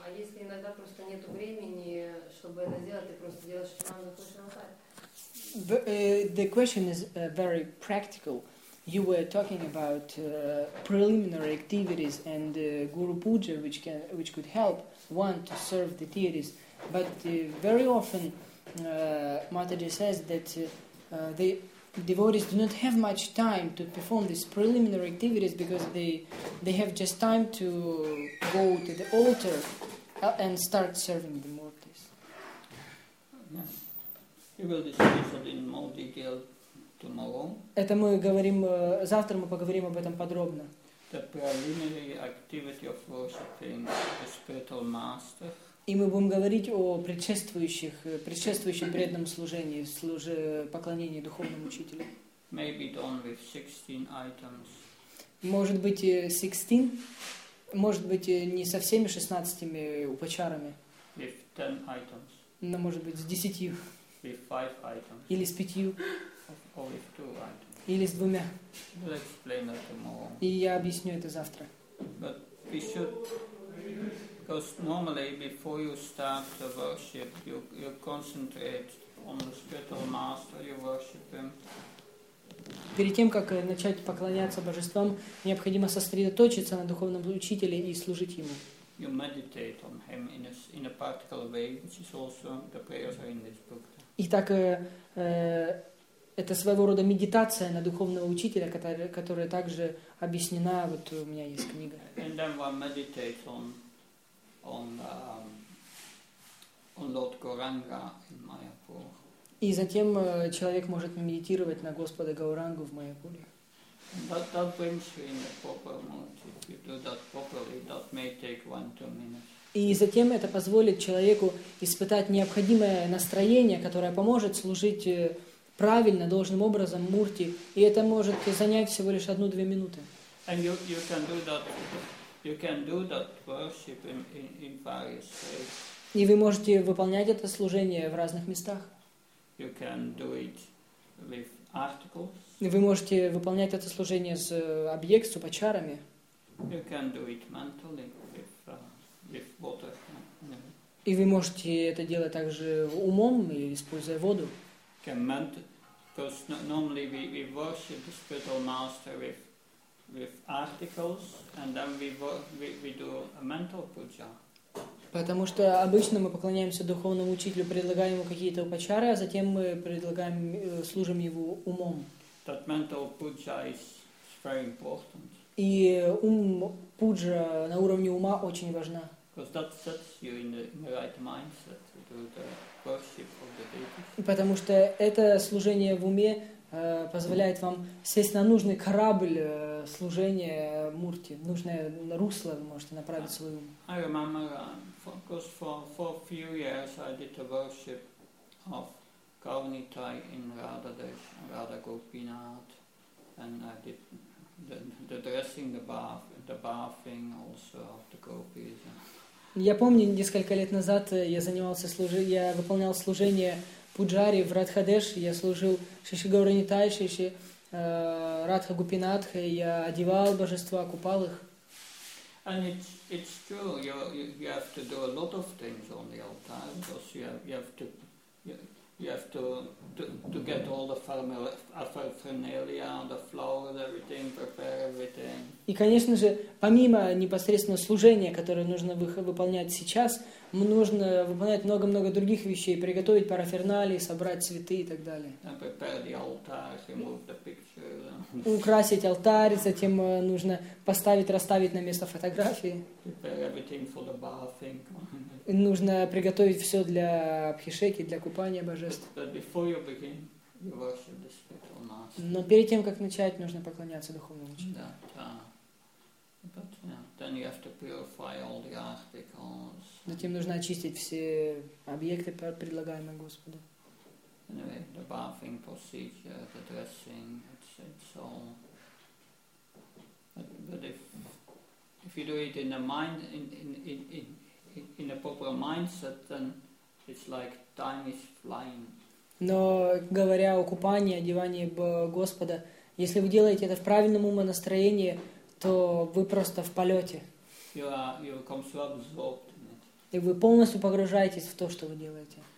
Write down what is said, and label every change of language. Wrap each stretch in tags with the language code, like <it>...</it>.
<ru>А если иногда просто нет времени, чтобы это сделать, ты просто делаешь чинам на кушан сай.</ru> <en>The question is very practical. You were talking about preliminary activities and guru puja, which could help one to serve the deities. But very often, Mataji says that the devotees do not have much time to perform these preliminary activities because they have just time to go to the altar and start serving the mortis. Yes. We will discuss it in more detail.</en> <ru>Это мы говорим завтра, мы поговорим об этом подробно.</ru> <en>The preliminary activity of worshiping the spiritual master.</en> <ru>И мы будем говорить о предшествующем преданном служении, поклонении духовному учителю.</ru> <en>Maybe done with 16 items.</en> <ru>Может быть 16, может быть не со всеми 16 упачарами.</ru> <en>With 10 items.</en> <ru>Но может быть с 10.</ru> <en>With 5 items.</en> <ru>Или с 5.</ru> <en>Or with two items.</en> <ru>Или с двумя.</ru> <en>We'll explain that tomorrow.</en> <ru>И я объясню это завтра.</ru> <en>But we should, because normally before you start to worship, you concentrate on the spiritual master, you worship him.</en> <ru>Перед тем, как начать поклоняться божествам, необходимо сосредоточиться на духовном учителе и служить ему.</ru> <en>You meditate on him in a particular way, which is also the prayers are in this book.</en> <ru>Итак, это своего рода медитация на духовного учителя, которая также объяснена, вот у меня есть книга.</ru> <en>And then one meditates on Lord Gauranga in Mayapur.</en> <ru>И затем человек может медитировать на Господа Гаурангу в Майяпуре.</ru> <en>That brings you in a proper mood. If you do that properly, that may take 1-2 minutes.</en> <ru>И затем это позволит человеку испытать необходимое настроение, которое поможет служить правильно, должным образом, мурти, и это может занять всего лишь 1-2 минуты.</ru> <en>And you can do that. You can do that worship in various ways.</en> <ru>И вы можете выполнять это служение в разных местах.</ru> <en>You can do it with articles.</en> <ru>И вы можете выполнять это служение с объектом, с упачарами.</ru> <en>You can do it mentally with water.</en> <ru>И вы можете это делать также умом, используя воду.</ru> <en>Because normally we worship the spiritual master with articles, and then we do a mental puja.</en> <ru>Потому что обычно мы поклоняемся духовному учителю, предлагаем ему какие-то упачары, а затем мы предлагаем служим его умом.</ru> <en>That mental puja is very important.</en> <ru>И пуджа на уровне ума очень важна.</ru> <en>Because that sets you in the right mindset to do the worship of the deity.</en> <ru>Потому что это служение в уме позволяет вам сесть на нужный корабль служения Мурти, нужное русло, вы можете направить свой ум.</ru> <en>I remember, for a few years I did the worship of Gaunitai in Radhadesh, Radha Gopinath, and I did the dressing, the bathing also of the gopis.</en> <ru>Я помню, несколько лет назад я выполнял служение Пуджари в Радхадеш, я служил Шиши Гаурани Тай, Шиши Радха Гупинатха, и я одевал божества, купал их.</ru> <en>And it's true, you have to do a lot of things on the altar, because you have to get all the paraphernalia, the flowers, everything, prepare everything.</en> <ru>И, конечно же, помимо непосредственно служения, которое нужно выполнять сейчас, нужно выполнять много-много других вещей, приготовить параферналии, собрать цветы и так далее.</ru> <en>And prepare the altar, remove the picture.</en> <ru>Украсить алтарь, затем нужно поставить, расставить на место фотографии.</ru> <en>Prepare everything for the bathing.</en> <ru>Нужно приготовить все для абхишеки, для купания божеств.</ru> <en>But before you begin, you worship the spiritual master.</en> <ru>Но перед тем, как начать, нужно поклоняться духовному учителю. Да, да.</ru> <en>But then you have to purify all the articles.</en> <ru>Затем нужно очистить все объекты, предлагаемые Господу.</ru> <en>Anyway, the bathing procedure, the dressing, it's all. But if you do it in the mind, in a proper mindset, then it's like time is flying.</en> <ru>Но говоря о купании, одевании Господа, если вы делаете это в правильном умонастроении, то вы просто в полете. You become so absorbed in it. И вы полностью погружаетесь в то, что вы делаете.</ru>